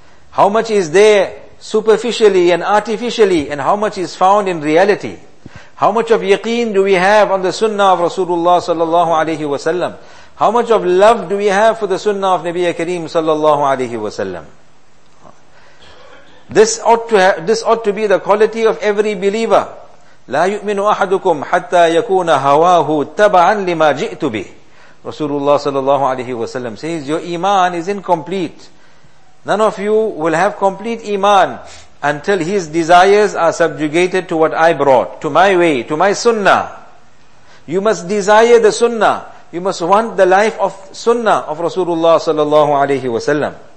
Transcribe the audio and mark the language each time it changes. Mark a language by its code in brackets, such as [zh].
[en] How much is there superficially and artificially, and how much is found in reality? How much of yaqeen do we have on the sunnah of Rasulullah sallallahu alayhi wa sallam? How much of love do we have for the sunnah of Nabiya Kareem sallallahu alayhi wa sallam? This ought to be the quality of every believer. [ar] لا يؤمن أحدكم حتى يكون هواه تبعا لما جئت به. [en] Rasulullah sallallahu alayhi wa sallam says, your iman is incomplete. None of you will have complete iman until his desires are subjugated to what I brought, to my way, to my sunnah. You must desire the sunnah. You must want the life of sunnah of Rasulullah sallallahu alayhi wa sallam.